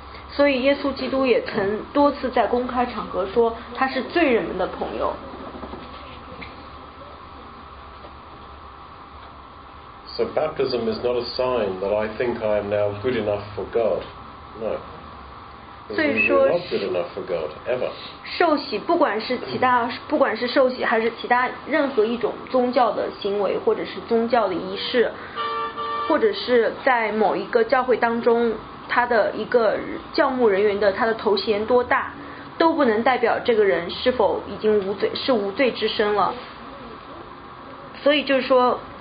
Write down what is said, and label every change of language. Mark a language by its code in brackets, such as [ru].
[zh] 所以耶稣基督也曾多次在公开场合说他是罪人们的朋友。 [en] So baptism is not a sign that I think I am now good enough for God. No. So you're not good enough for God ever. [zh] 受洗不管是其他不管是受洗还是其他任何一种宗教的行为或者是宗教的仪式，或者是在某一个教会当中他的一个教牧人员的他的头衔多大，都不能代表这个人是否已经无罪是无罪之身了。所以就是说。